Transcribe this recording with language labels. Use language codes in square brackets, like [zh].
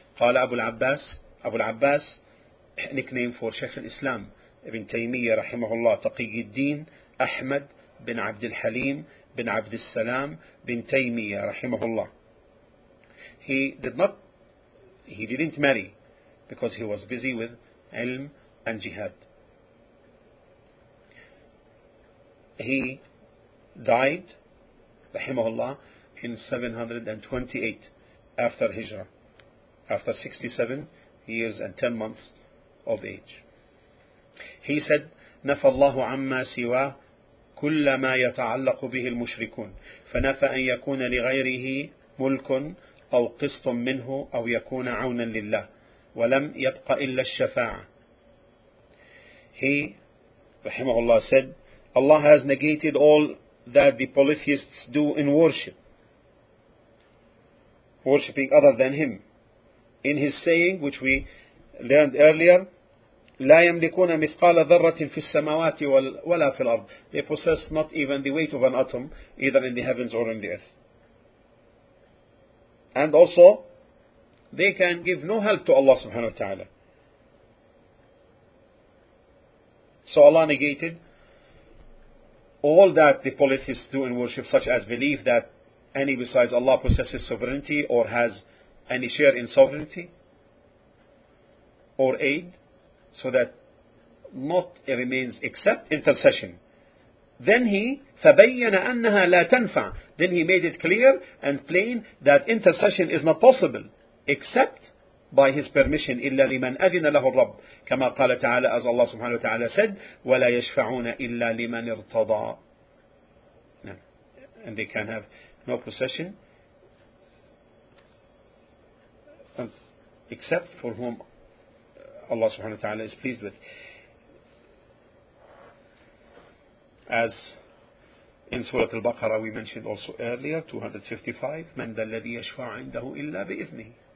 [en] Qala Abu al-Abbas, nickname for Shaykh al-Islam ابن تيمية [ar] رحمه الله, [en] تقي الدين أحمد بن عبد الحليم بن عبد السلام بن تيمية رحمه الله. He didn't marry because he was busy with علم and jihad. He died [ar] رحمه الله [en] in 728 after Hijra, after 67 years and 10 months of age. [ar] He said, نفى الله عما سواه كل ما يتعلق به المشركون فنفى أن يكون لغيره ملك أو قسط منه أو يكون عونا لله ولم يبق إلا الشفاعة. [en] He, [ar] رحمه الله, [en] said, Allah has negated all that the polytheists do in worship, worshipping other than Him, in His saying, which we learned earlier, [ar] لا يملكون مثقال ذرة في السماوات ولا في الأرض. [en] They possess not even the weight of an atom, either in the heavens or in the earth. And also, they can give no help to Allah subhanahu wa ta'ala. So Allah negated all that the polytheists do in worship, such as belief that any besides Allah possesses sovereignty or has any share in sovereignty or aid, so that not remains except intercession. Then he [ar] فَبَيَّنَ أَنَّهَا لَا تَنْفَعْ. [en] Then he made it clear and plain that intercession is not possible except by his permission. [ar] إِلَّا لِمَنْ أَذِنَ لَهُ الرَّبُّ كَمَا قَالَ تَعَالَى, [en] as Allah subhanahu wa ta'ala said, [ar] وَلَا يَشْفَعُونَ إِلَّا لِمَنْ ارْتَضَى. [en] And they can have no possession except for whom Allah subhanahu wa ta'ala is pleased with. As in Surah Al-Baqarah we mentioned also earlier, 255, [ar] مَنْ دَلَّذِي يَشْفَعُ عِنْدَهُ إِلَّا بِإِذْنِهِ.